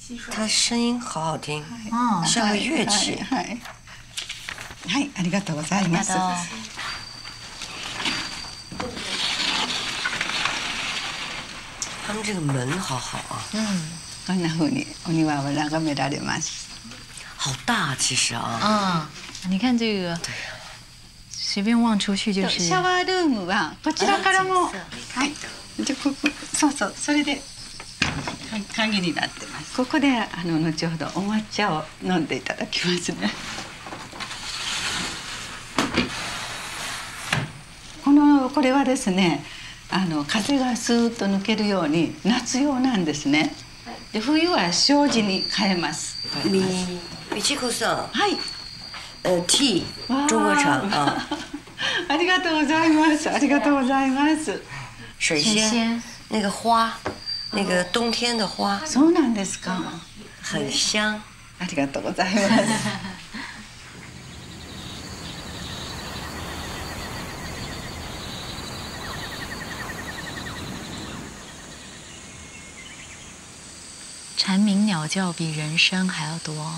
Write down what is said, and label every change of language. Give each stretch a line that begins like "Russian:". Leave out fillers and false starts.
Chinese: 他声音好好听，像个乐器。
Japanese: はい、ありがとうございます。
Chinese: 他们这个门好好啊。嗯。
Japanese: こんな風にお庭を眺められます。
Chinese: 好大啊，其实啊，嗯，你看这个，对呀，随便望出去就是。
Japanese: シャワールームはこちらからも、はい、でここ、そうそう、それで、鍵になってます。ここで後ほどお抹茶を飲んでいただきますね。これはですね、風がスーッと抜けるように夏用なんですね。で冬は障子に変えます。美智子さん、はい、ティー、中国茶あ。ありがとうございます。ありがとうございます。
Chinese: 水仙、那个花、那个冬天的花。
Japanese: そうなんですか。
Chinese: 很香。
Japanese: ありがとうございます。
Chinese: 蝉鸣鸟叫比人声还要多。